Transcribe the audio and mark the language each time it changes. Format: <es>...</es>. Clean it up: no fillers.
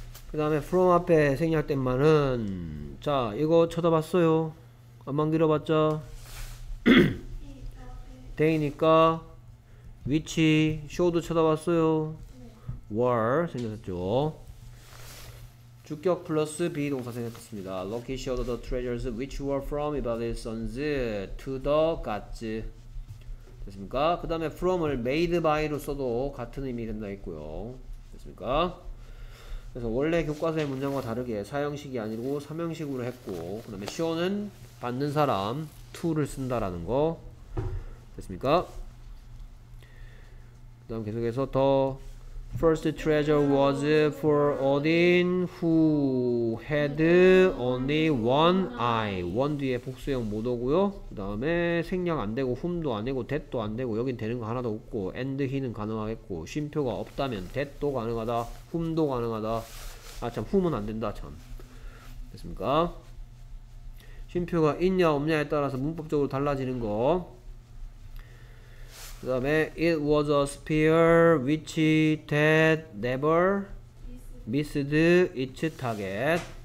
<ko>그 다음에 from 앞에 생략된 말은 자 이거 쳐다봤어요. 안만 길어봤자 데이니까 which showed 쳐다봤어요. 네. were 생겼죠. 주격 플러스 be 동사 생겼습니다.</ko> <en>Lucky showed the treasures which were from Ibadi's sons to the gods.</en> <ko>됐습니까? 그 다음에 from을 made by로 써도 같은 의미 된다 했고요. 됐습니까? 그래서 원래 교과서의 문장과 다르게 4형식이 아니고 3형식으로 했고 그 다음에 show는 받는 사람 to를 쓴다라는 거 됐습니까? 그 다음 계속해서</ko> <en>the first treasure was for Odin who had only one eye.</en> <ko>one 뒤에 복수형 못오고요. 그 다음에 생략 안되고 whom도 안되고 that도 안되고 여긴 되는 거 하나도 없고 and he는 가능하겠고 쉼표가 없다면 that도 가능하다 whom도 가능하다. 아 참 whom은 안된다 참. 됐습니까? 쉼표가 있냐 없냐에 따라서 문법적으로 달라지는 거. 그 다음에</ko> <en>It was a spear which that never missed its target.</en>